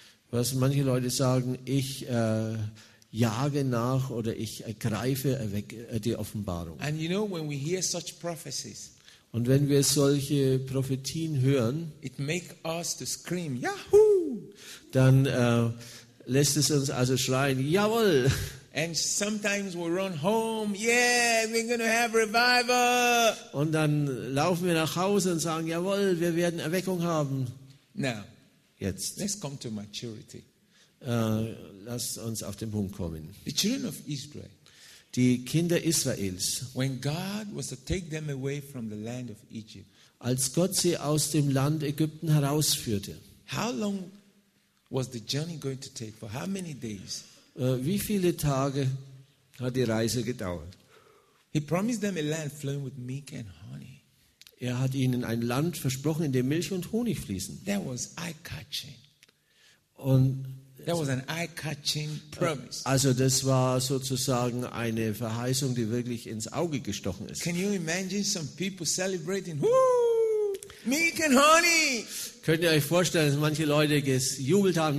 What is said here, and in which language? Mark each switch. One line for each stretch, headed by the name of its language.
German: Was manche Leute sagen, ich jage nach oder ich ergreife die Offenbarung.
English: And you know, when we hear such prophecies,
German: und wenn wir solche Prophetien hören,
English: it make us to scream, Yahoo!
German: Dann lässt es uns also schreien, jawohl!
English: And sometimes we run home, yeah, we're going to have revival!
German: Und dann laufen wir nach Hause und sagen, jawohl, wir werden Erweckung haben.
English: Now,
German: jetzt.
English: Let's come to maturity.
German: Lass uns auf den Punkt kommen.
English: The children of Israel,
German: die Kinder Israels,
English: when God was to take them away from the land of Egypt,
German: als Gott sie aus dem Land Ägypten herausführte,
English: how long was the journey going to take? For how many days?
German: Wie viele Tage hat die Reise gedauert?
English: He promised them a land flowing with milk and honey.
German: Er hat ihnen ein Land versprochen, in dem Milch und Honig fließen.
English: That was eye-catching.
German: Und
English: that was an eye-catching promise.
German: Also das war sozusagen eine Verheißung, die wirklich ins Auge gestochen ist.
English: Can you imagine some people celebrating? Woo! Milk and honey!
German: Könnt ihr euch vorstellen, dass manche Leute gejubelt haben?